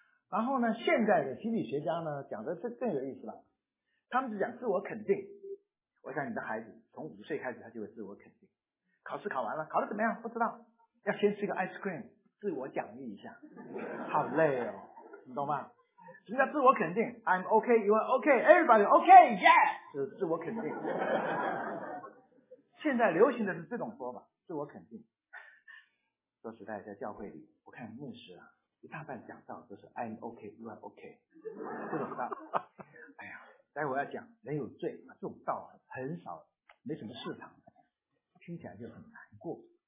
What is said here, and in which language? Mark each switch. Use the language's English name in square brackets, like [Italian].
[Chinese] 然后呢，现在的心理学家呢讲的是更有意思了，他们是讲自我肯定。我想你的孩子从五岁开始他就会自我肯定，考试考完了，考得怎么样？不知道，要先吃个 ice cream 自我奖励一下，好累哦，你懂吗？什么叫自我肯定？ [English] I'm OK， you are OK， everybody OK， yeah， [Chinese] 就是自我肯定。现在流行的是这种说法，自我肯定。说实在，在教会里，我看牧师啊，一大半讲到都是 [English] I'm OK， you are OK， [Chinese] 不懂道。哎呀，待会儿要讲人有罪，这种道很少，没什么市场，听起来就很难过。